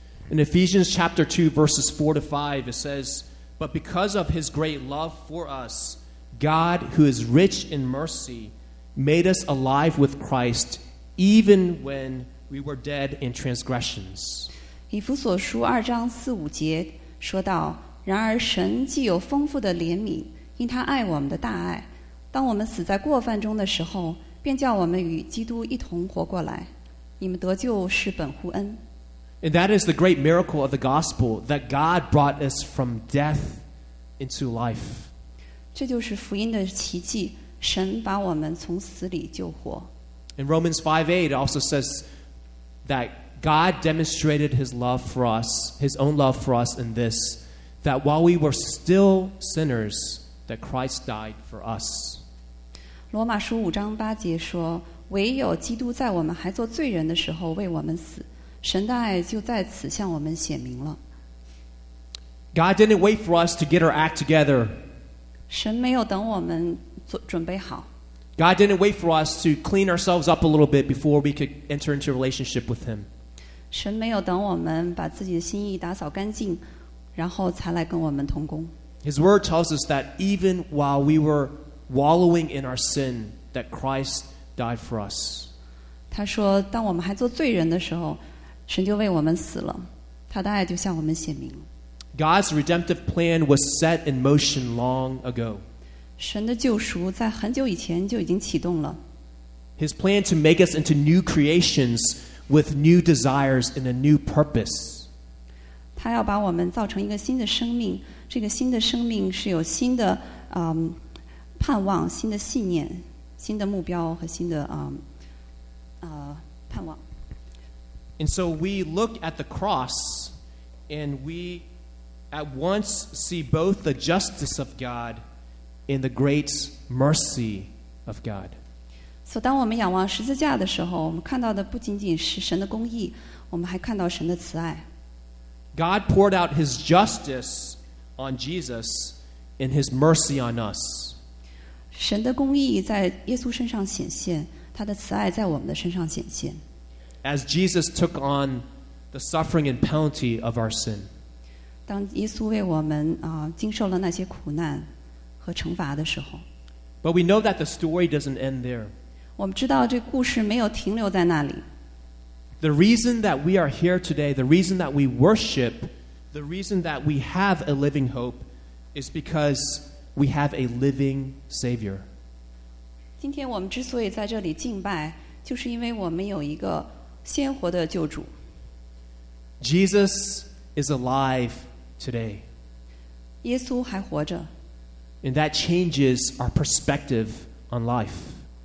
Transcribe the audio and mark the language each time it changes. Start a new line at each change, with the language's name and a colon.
English: In Ephesians chapter 2, verses 4 to 5, it says, But because of His great love for us, God, who is rich in mercy, made us alive with Christ, even when we were dead in transgressions.
Chinese: 以弗所书二章四五节说到，然而神既有丰富的怜悯，因他爱我们的大爱，当我们死在过犯中的时候，便叫我们与基督一同活过来。你们得救是本乎恩。
English: And that is the great miracle of the gospel, that God brought us from death into life.
Chinese: 这就是福音的奇迹，神把我们从死里救活。
English: In Romans 5:8, it also says that God demonstrated His love for us, His own love for us in this, that while we were still sinners, that Christ died for us.
Chinese: 罗马书五章八节说，唯有基督在我们还做罪人的时候为我们死。神的爱就在此向我们显明了。
English: God didn't wait for us to get our act together.
Chinese: 神没有等我们准备好。
English: God didn't wait for us to clean ourselves up a little bit before we could enter into a relationship with Him.
Chinese: 神没有等我们把自己的心意打扫干净，然后才来跟我们同工。
English: His word tells us that even while we were wallowing in our sin, that Christ died for us.
Chinese: 他说，当我们还做罪人的时候，神就为我们死了，他的爱就向我们显明。
English: God's redemptive plan was set in motion long ago.
Chinese: 神的救赎在很久以前就已经启动了。
English: His plan to make us into new creations with new desires and a new purpose.
Chinese: 他要把我们造成一个新的生命，这个新的生命是有新的盼望、新的信念、新的目标和新的盼望。
English: And so we look at the cross and we at once see both the justice of God and the great mercy of God.
Chinese: So, 当我们仰望十字架的时候，我们看到的不仅仅是神的公义，我们还看到神的慈爱。
English: God poured out His justice on Jesus and His mercy on us.
Chinese: 神的公义在耶稣身上显现，他的慈爱在我们的身上显现。
English: As Jesus took on the suffering and penalty of our sin.
Chinese: 当耶稣为我们经受了那些苦难和惩罚的时候。
English: But we know that the story doesn't end there.
Chinese: 我们知道这故事没有停留在那里。
English: The reason that we are here today, the reason that we worship, the reason that we have a living hope is because we have a living Savior.
Chinese: 今天我们之所以在这里敬拜，就是因为我们有一个鲜活的救主。
English: Jesus is alive today.
Chinese: 耶稣还活着。
English: And that changes our perspective on life.